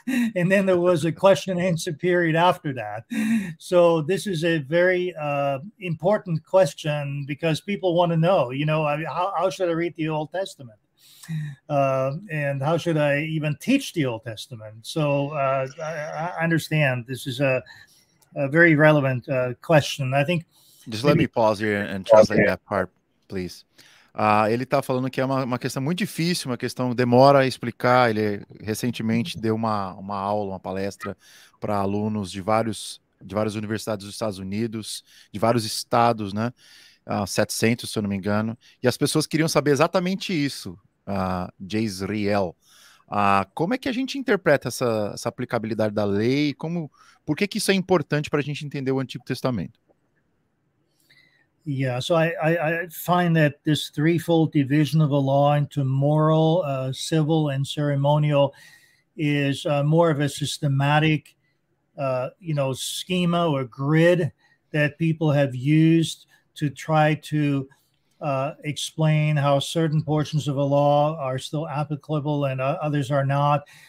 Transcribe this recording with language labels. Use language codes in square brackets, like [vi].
[en] And then there was a question and answer period after that. So this is a very important question because people want to know, how should I read the Old Testament? And how should I even teach the Old Testament? So I understand this is a very relevant question. I think... Let me pause here and translate that part. Please. [pt] Ele está falando que é uma questão muito difícil, uma questão que demora a explicar. Ele recentemente deu uma aula, uma palestra para alunos de várias universidades dos Estados Unidos, de vários estados, né? 700, se eu não me engano. E as pessoas queriam saber exatamente isso, Jezreel. Como é que a gente interpreta essa aplicabilidade da lei? Por que que isso é importante para a gente entender o Antigo Testamento? [en] Yeah, so I find that this threefold division of the law into moral, civil, and ceremonial is more of a systematic, schema or grid that people have used to try to explain how certain portions of the law are still applicable and others are not.